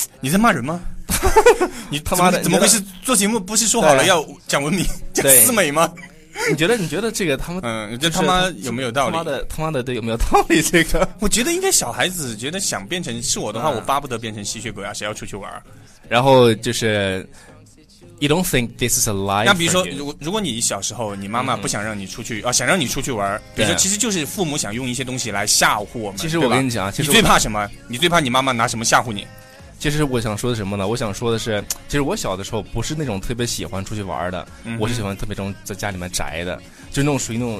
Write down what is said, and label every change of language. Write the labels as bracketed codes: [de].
[zh] 你在骂人吗？你他妈的怎么回事？做节目不是说好了要讲文明、讲四美吗？你觉得这个他们嗯，这他妈有没有道理？他妈的对，有没有道理？这个我觉得应该小孩子觉得想变成是我的话，我巴不得变成吸血鬼啊！谁要出去玩？然后就是 [en] ，You don't think this is a lie？ [zh] 那比如说，如果你小时候你妈妈不想让你出去、想让你出去玩，比如说其实就是父母想用一些东西来吓唬我们。其实我跟你讲，你最怕什么？你最怕你妈妈拿什么吓唬你？其实我想说的什么呢，我想说的是其实我小的时候不是那种特别喜欢出去玩的、我是喜欢特别中在家里面宅的，就那种属于那种